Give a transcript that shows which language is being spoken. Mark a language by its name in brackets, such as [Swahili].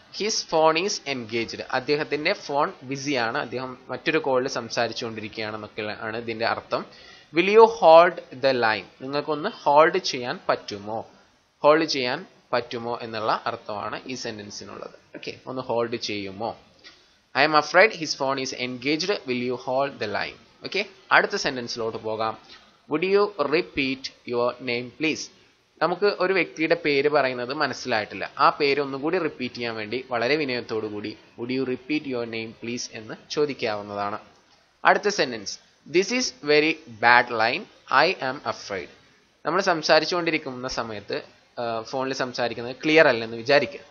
[English] his phone is engaged, [Malayalam] അദ്ദേഹത്തിന്റെ phone ബിസിയാണ്, അദ്ദേഹം മറ്റൊരു കോളിൽ സംസാരിച്ചുകൊണ്ടിരിക്കുകയാണെന്നൊക്കെയാണ് ഇതിന്റെ അർത്ഥം. [English] will you hold the line, [Malayalam] നിങ്ങൾക്കൊന്ന് ഹോൾഡ് ചെയ്യാൻ പറ്റുമോ, ഹോൾഡ് ചെയ്യാൻ പറ്റുമോ എന്നുള്ള അർത്ഥമാണ് ഈ സെന്റൻസിനുള്ളത്. ഓക്കെ, ഒന്ന് ഹോൾഡ് ചെയ്യുമോ. [English] I am afraid his phone is engaged. Will you hold the line? Okay? [Malayalam] അടുത്ത സെന്റൻസിലോട്ട് പോകാം. [English] Would you repeat your name, please? [Malayalam] നമുക്ക് ഒരു വ്യക്തിയുടെ പേര് പറയുന്നത് മനസ്സിലായിട്ടില്ല. ആ പേര് ഒന്നുകൂടി റിപ്പീറ്റ് ചെയ്യാൻ വേണ്ടി വളരെ വിനയത്തോടു കൂടി [English] would you repeat your name please [Malayalam] എന്ന് ചോദിക്കാവുന്നതാണ്. [English] അടുത്ത sentence, this is very bad line, I am afraid. [Malayalam] നമ്മൾ സംസാരിച്ചുകൊണ്ടിരിക്കുന്ന സമയത്ത് ഫോണിൽ സംസാരിക്കുന്നത് ക്ലിയർ അല്ലെന്ന് വിചാരിക്കുക.